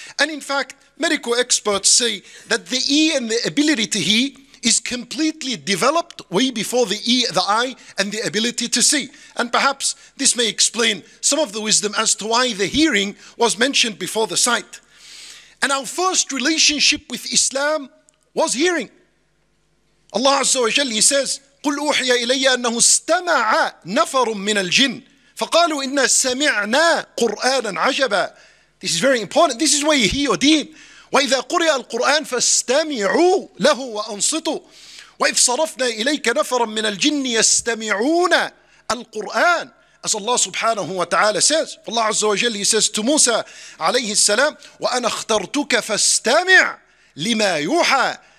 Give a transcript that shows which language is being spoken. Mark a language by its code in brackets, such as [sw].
[en] And in fact, medical experts say that the ear and the ability to hear is completely developed way before the ear, the eye, and the ability to see. And perhaps this may explain some of the wisdom as to why the hearing was mentioned before the sight. And our first relationship with Islam was hearing. Allah Azza wa Jalla, he says, [ar] قُلْ أُوحِيَ إِلَيَّ أَنَّهُ اسْتَمَعَ نَفَرٌ مِّنَ الْجِنِّ فَقَالُوا إِنَّا سَمِعْنَا قُرْآنًا عَجَبًا. [en] This is very important. This is why you hear your deen. [ar] وَإِذَا قُرِئَ الْقُرْآنَ فَاسْتَمِعُوا لَهُ وَأَنصِتُوا وَإِذْ صَرَفْنَا إِلَيْكَ نَفَرًا مِّنَ الْجِنِّ يَسْتَمِعُونَ الْقُرْآنَ. [en] As Allah subhanahu wa ta'ala says, Allah Azza wa Jalla, he says to Musa alayhi salam, [ar] وَأَنَا اخْتَرْتُكَ فَاسْتَمِعْ لِمَا يُوحَى.